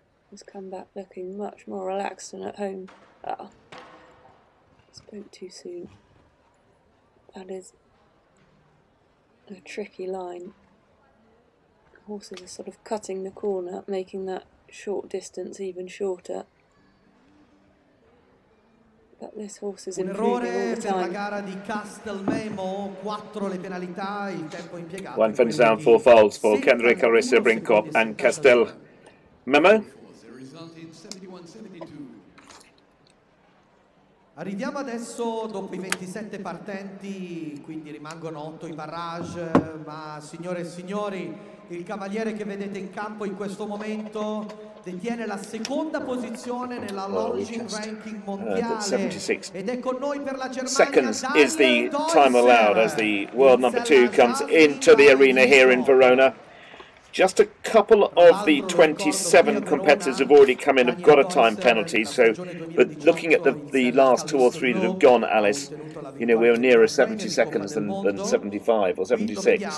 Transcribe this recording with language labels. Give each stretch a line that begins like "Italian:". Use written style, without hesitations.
English: Has come back looking much more relaxed than at home. Oh, spoke too soon. That is a tricky line. Horses are sort of cutting the corner, making that short distance even shorter. But this horse is improving all the time.
Italian: Gara di Castelmemo, quattro le penalità, il tempo impiegato.
English: One fence down, four faults for Kendrick, Arisa, Brinkop and Castelmemo.
Italian: Arriviamo adesso dopo i 27 partenti, quindi rimangono 8 in barrage, ma signore e signori, il cavaliere che vedete in campo in questo momento detiene la seconda posizione nella Longines ranking mondiale ed è con noi per la Germania.
English: Seconds is the time allowed as the world number 2 comes into the arena here in Verona. Just a couple of the 27 competitors have already come in, have got a time penalty. So, but looking at the last two or three that have gone, Alice, you know, we're nearer 70 seconds than 75 or 76.